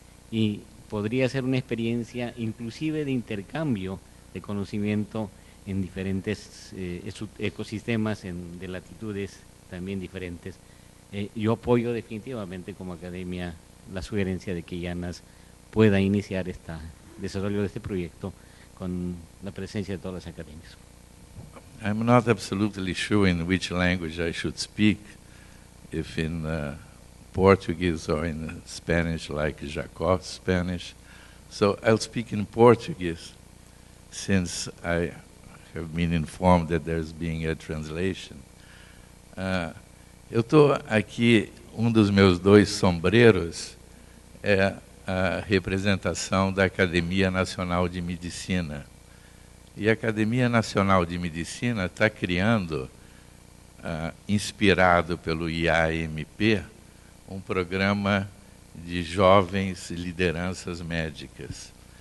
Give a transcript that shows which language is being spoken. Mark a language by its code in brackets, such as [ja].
[es] Y podría ser una experiencia inclusive de intercambio de conocimiento en diferentes ecosistemas de latitudes también diferentes. Yo apoyo definitivamente como academia la sugerencia de que Llanas pueda iniciar este desarrollo de este proyecto con la presencia de todas las academias. [en] I'm not absolutely sure in which language I should speak, if in Portuguese or in Spanish, like Jacob's Spanish. So I'll speak in Portuguese, since I have been informed that there's being a translation. [pt] Eu estou aqui, dos meus dois sombreros é a representação da Academia Nacional de Medicina. E a Academia Nacional de Medicina está criando, inspirado pelo IAMP, um programa de jovens lideranças médicas.